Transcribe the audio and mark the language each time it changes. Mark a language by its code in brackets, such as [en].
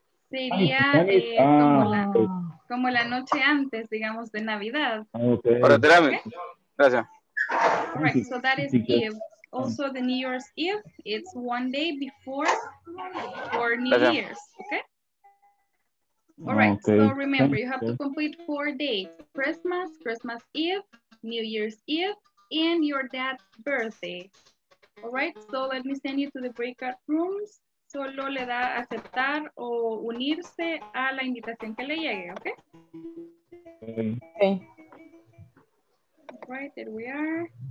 [es] Sería como la noche antes, digamos, de Navidad. Okay. Ahora, espérame. Okay. Gracias. [en] All right, so that is Eve. Also, the New Year's Eve, it's one day before for New Year's, okay? All right, okay. So remember, you have to complete 4 dates. Christmas Eve, New Year's Eve, and your dad's birthday. All right, so let me send you to the breakout rooms. [es] Solo le da aceptar o unirse a la invitación que le llegue, okay? [en] Okay. All right, there we are.